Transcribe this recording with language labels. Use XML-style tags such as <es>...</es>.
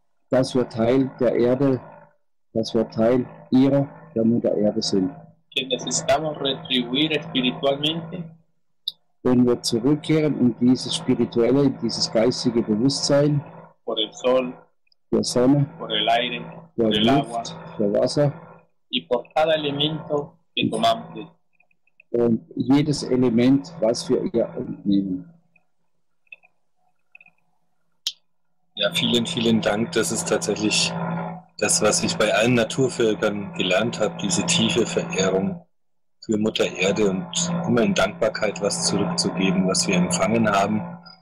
<de>Dass wir Teil der Erde, dass wir Teil ihrer, der Mutter Erde sind.</de> <es>Que necesitamos retribuir espiritualmente.</es> <de>Wenn wir zurückkehren in dieses spirituelle, in dieses geistige Bewusstsein,</de> <es>por el sol,</es> <de>der Sonne,</de> <es>por el aire,</es> <de>der</de> <es>por</es> <de>Luft,</de> <es>el agua,</es> <de>der Wasser,</de> <es>y por cada elemento que tomamos.</es> <de>Und jedes Element, was wir ihr entnehmen. Ja, vielen, vielen Dank. Das ist tatsächlich das, was ich bei allen Naturvölkern gelernt habe, diese tiefe Verehrung für Mutter Erde und immer in Dankbarkeit was zurückzugeben, was wir empfangen haben.</de>